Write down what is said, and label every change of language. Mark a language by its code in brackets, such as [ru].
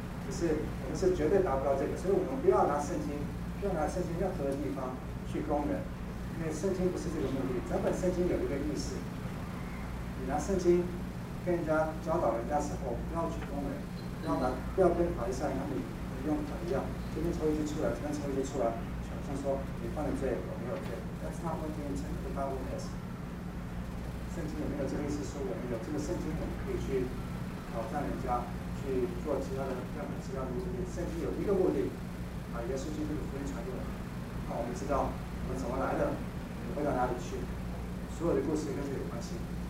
[zh] 可是我们是绝对达不到这个，所以我们不要拿圣经，不要拿圣经任何的地方去供人。因为圣经不是这个目的，整本圣经有一个意思。你拿圣经跟人家教导人家的时候，不要去攻人，不要跟法利赛人你用法一样，这边抽一句出来，这边抽一句出来，小声说你犯了罪，我没有罪。 [en] That's not what the intent of the Bible is。 [zh] 圣经有没有这个意思？说我们有这个圣经，我们可以去挑战人家，去做其他的任何其他的目的。圣经有一个目的，把耶稣基督的福音传给我们，让我们知道。我们怎么来的，你会到哪里去，所有的故事跟这有关系。